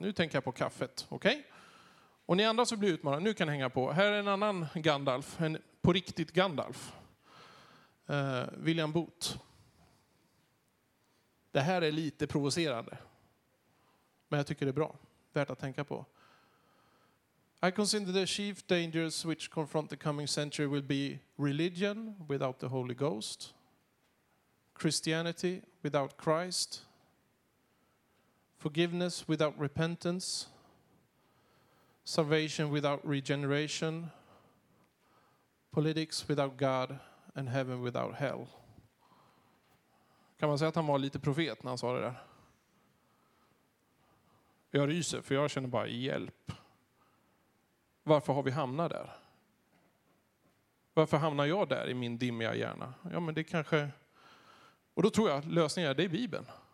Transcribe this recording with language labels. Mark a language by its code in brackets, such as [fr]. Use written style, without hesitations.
[sv] Nu tänker jag på kaffet, okej? Okay? Och ni andra som blir utmanade, nu kan hänga på. Här är en annan Gandalf, en på riktigt Gandalf. William Booth. Det här är lite provocerande. Men jag tycker det är bra. Värt att tänka på. [en] I consider the chief dangers which confront the coming century will be religion without the Holy Ghost, Christianity without Christ, forgiveness without repentance, salvation without regeneration, politics without God, and heaven without hell. [sv] Kan man säga att han var lite profet när han sa det där? Jag ryser, för jag känner bara hjälp. Varför har vi hamnat där? Varför hamnar jag där i min dimmiga hjärna? Ja, men det kanske... Och då tror jag att lösningen är det i Bibeln.